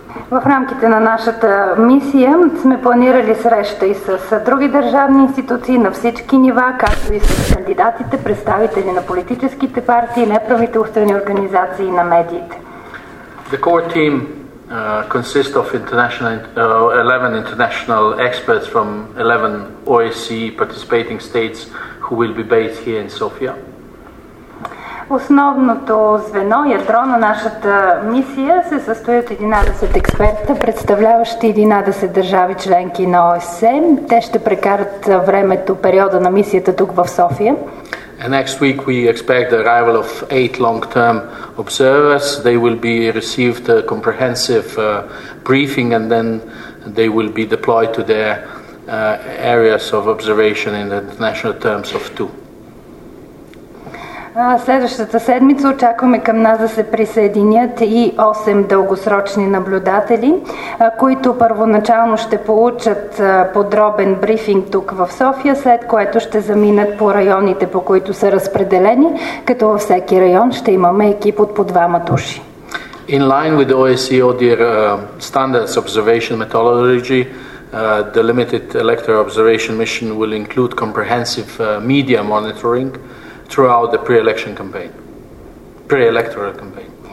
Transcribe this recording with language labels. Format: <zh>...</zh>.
<bg>В рамките на нашата мисия сме планирали среща и с други държавни институции на всички нива, както и с кандидатите, представители на политическите партии, неправителствени организации и на медиите.</bg> <en>The core team consists of 11 international experts from 11 OSCE participating states who will be based here in Sofia.</en> <bg>Основното звено, ядро на нашата мисия се състои от 11 експерта, представляващи 11 държави членки на ОСЕ. Те ще прекарат времето, периода на мисията тук в София.</bg> <en>And next week we expect the arrival of 8 long-term observers. They will be received a comprehensive briefing and then they will be deployed to their areas of observation in the international terms of 2.</en> <bg>Следващата седмица очакваме към нас да се присъединят и 8 дългосрочни наблюдатели, които първоначално ще получат подробен брифинг тук в София, след което ще заминат по районите, по които са разпределени, като във всеки район ще имаме екип от по двама души.</bg> <en>In line with the OSCE ODIHR standards observation methodology, the limited electoral observation mission will include comprehensive media monitoring throughout the pre-election campaign, pre-electoral campaign.</en>